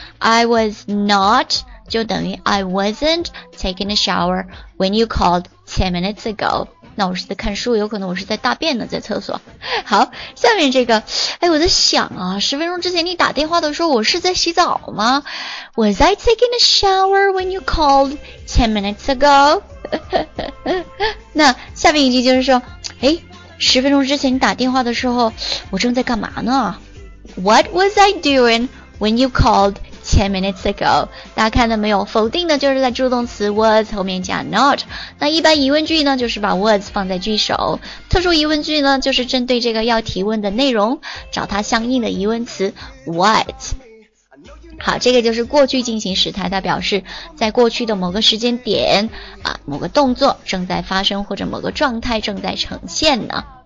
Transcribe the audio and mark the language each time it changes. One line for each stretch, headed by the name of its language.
English: I was not
Chinese: 就等于
English: I wasn't taking a shower when you called 10 minutes ago。
Chinese: 那我是在看书，有可能我是在大便呢，在厕所。好，下面这个，哎，我在想啊，十分钟之前你打电话的时候我是在洗澡吗？
English: Was I taking a shower when you called 10 minutes ago？
Chinese: 那下面一句就是说，哎，十分钟之前你打电话的时候我正在干嘛呢？
English: What was I doing when you called10 minutes ago？
Chinese: 大家看到没有，否定的就是在助动词 was 后面加 not。那一般疑问句呢，就是把 was 放在句首，特殊疑问句呢，就是针对这个要提问的内容找它相应的疑问词 what。好，这个就是过去进行时态，它表示在过去的某个时间点啊，某个动作正在发生或者某个状态正在呈现呢。